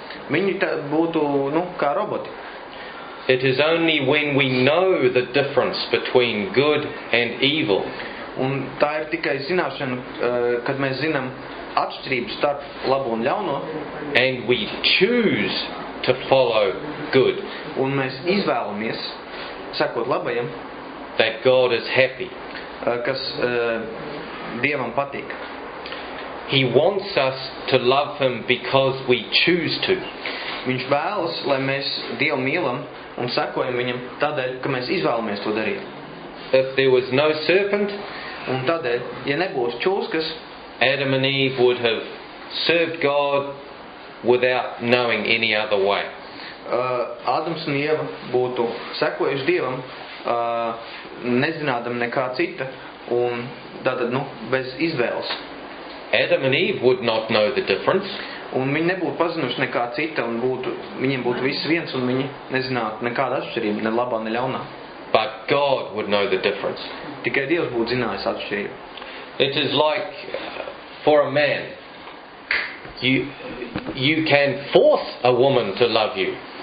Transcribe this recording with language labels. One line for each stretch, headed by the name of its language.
Latvian: Viņi tā būtu, nu, kā roboti.
English: It is only when we know the difference between good and evil.
Latvian: Un tā ir tikai zināšana, kad mēs zinām atšķirību starp labu un ļauno.
English: And we choose to follow good.
Latvian: Un mēs izvēlamies sekot labajam.
English: That God is happy.
Latvian: Kas Dievam patīk.
English: He wants us to love him because we choose to.
Latvian: Viņš vēlas, lai mēs Dievu mīlam un sekojam viņam tādēļ, ka mēs izvēlamies to darīt.
English: If there was no serpent,
Latvian: un tādēļ, ja nebūtu čūskas,
English: Adam and Eve would have served God without knowing any other way.
Latvian: Ādams un Ieva būtu sekojuši Dievam, nezinādam nekā cita, un tātad, nu, bez izvēles.
English: Adam and Eve would not know the difference.
Latvian: Un viņi nebūtu pazinuši nekā cita, un būtu, viņiem būtu viss viens, un viņi nezinātu nekādu atšķirību, ne labā, ne ļaunā.
English: But God would know the difference.
Latvian: Tikai Dievs būtu zinājis atšķirību.
English: It is like for a man. You can force a woman to love you.